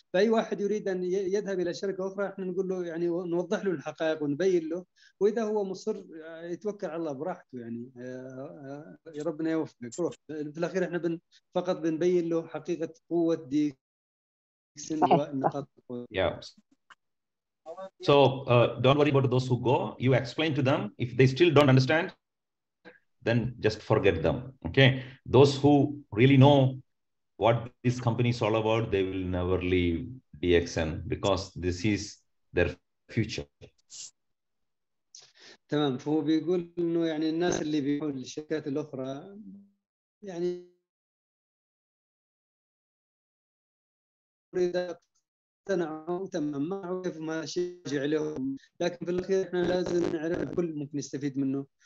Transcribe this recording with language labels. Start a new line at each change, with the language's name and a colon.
Arabic: فأي واحد يريد أن يذهب إلى شركة أخرى، إحنا نقول له يعني نوضح له الحقائق ونبين له، وإذا هو مصر يتوكل على الله براحته، يعني يا ربنا يوفقك. روح في الأخير إحنا فقط بنبين له حقيقة قوة ديكسن ونقاط قوة.
English: So don't worry about those who go. You explain to them. If they still don't understand, then just forget them. Okay, those who really know what this company is all about, they will never leave DXN because this is their future.
Arabic: تمام. فهو بيقول إنه يعني الناس اللي بيروحوا للشركات الأخرى يعني إذا اقتنعوا تمام ما عرف ما شجع لهم، لكن في الأخير إحنا لازم نعرف كل ممكن يستفيد منه.